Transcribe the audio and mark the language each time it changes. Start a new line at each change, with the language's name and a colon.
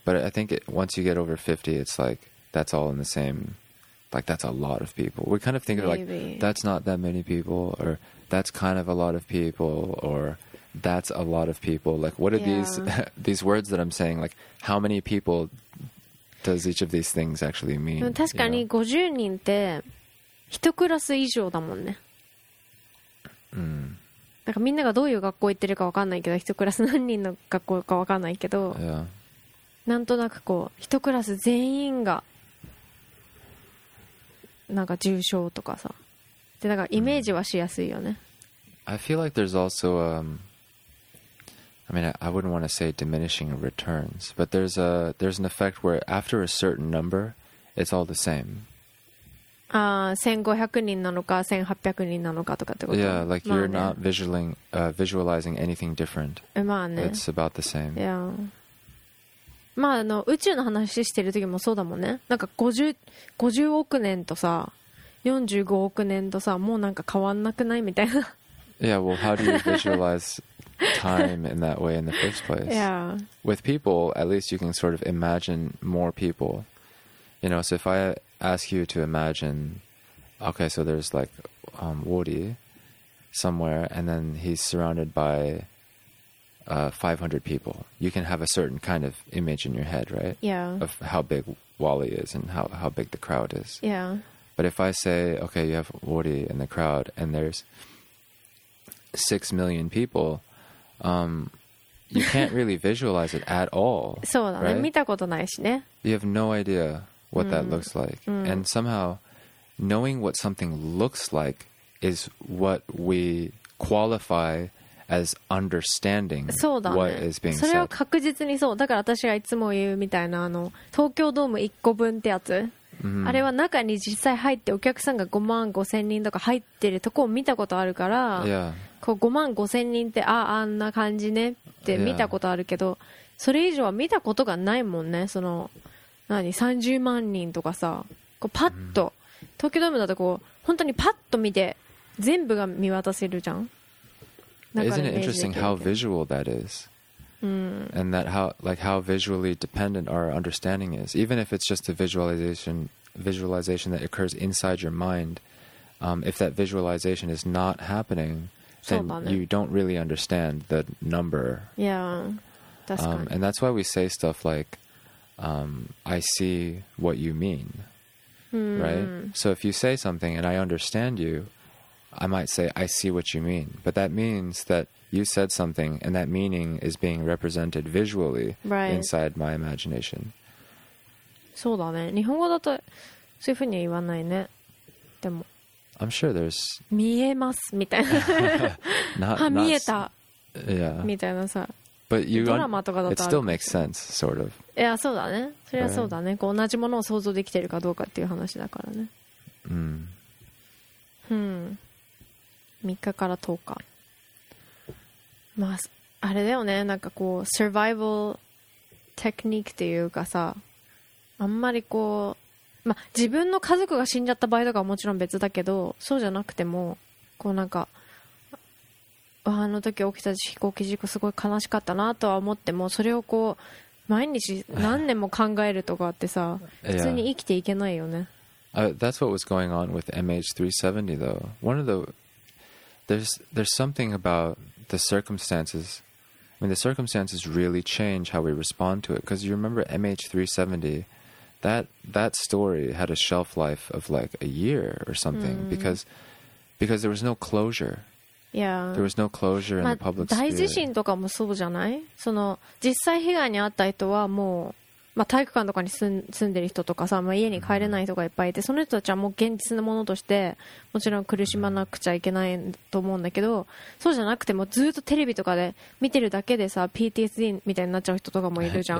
English: But I think once you get over 50, it's like that's all in the same. Like, that's a lot of people. We kind of think of, like, that's not that many people, or that's kind of a lot of people, or that's a lot of people. Like, what are these, these words that I'm saying? Like, how many people does each of these things actually mean?
Japanese: 確かに50人って一クラス以上だもんね。なんかみんながどういう学校行ってるか分かんないけど、一クラス何人の学校か分かんないけど、なんとなくこう、一クラス全員がなんか重症とかさ、でなんかイメージはしやすいよね。
English: I feel like there's also, I mean, I wouldn't want to say diminishing returns, but there's an effect where after a certain number, it's all the same.
Japanese: Ah, 1500人なのか1800人なのかとかってこと。
English: Yeah, like you're not visualizing anything different.
Japanese: まあね。
English: It's about the same. Yeah.
Japanese: まあ、あの宇宙の話してる時もそうだもんね。なんか 50億年とさ45億年とさ、もうなんか変わんなくないみたいな。
English: Yeah, well how do you visualize time in that way in the first place? Yeah. With people, at least you can sort of imagine more people. You know, so if I ask you to imagine, okay, so there's like Woody somewhere and then he's surrounded by 500 people. You can have a certain kind of image in your head, right? Yeah. Of how big Wally is and how big the crowd is. Yeah. But if I say, okay, you have Woody in the crowd and there's 6 million people, you can't really visualize it at all.
Japanese: そうだね。
English: Right?
Japanese: 見たことないしね。
English: You have no idea what that looks like. And somehow, knowing what something looks like is what we qualify as understanding what is being said.
Japanese: それは確実にそう。だから私がいつも言うみたいな、あの東京ドーム1個分ってやつ、あれは中に実際入ってお客さんが5万5000人とか入ってるとこを見たことあるから、こう5万5000人ってああんな感じねって見たことあるけど、それ以上は見たことがないもんね。その何30万人とかさ、こうパッと、東京ドームだとこう本当にパッと見て全部が見渡せるじゃん。
English: Isn't it interesting how visual that is? And that how visually dependent our understanding is. Even if it's just a visualization that occurs inside your mind, if that visualization is not happening, then you don't really understand the number. Yeah, And that's why we say stuff like, I see what you mean, right? So if you say something and I understand you,I might say, I see what you mean. But that means that you said something and that meaning is being represented visually inside my imagination.
Japanese: そうだね。日本語だとそういうふうには言わないね。でも。
English: I'm sure there's...
Japanese: 見えますみたいな。
English: not,
Japanese: 見えた。
English: Yeah.
Japanese: みたいなさ。
English: But you
Japanese: ドラマとかだと
English: it still makes sense, sort of.
Japanese: いや、そうだね。それはそうだね。こう同じものを想像できてるかどうかっていう話だからね。 3日から10日。まあ、あれだよね。なんかこう、サバイバルテクニックっていうかさ、あんまりこう、まあ、自分の家族が死んじゃった場合とかはもちろん別だけど、そうじゃなくても、こうなんか、あの時起きた飛行機事故すごい悲しかったなとは思っても、それをこう、毎日何年も考えるとかってさ、普通に生きていけないよね。
English: That's what was going on with MH370 though. One of theThere's something about the circumstances. I mean, the circumstances really change how we respond to it. Because you remember MH370, that story had a shelf life of like a year or something because there was no closure. Yeah. There was no closure in the public sphere.
Japanese: 大地震とかもそうじゃない？その実際被害に遭った人はもう、まあ、体育館とかに住んでる人とかさ、まあ、家に帰れない人がいっぱいいて、その人たちはもう現実のものとしてもちろん苦しまなくちゃいけないと思うんだけど、そうじゃなくてもずっとテレビとかで見てるだけでさ PTSD みたいになっちゃう人とかもいるじゃん。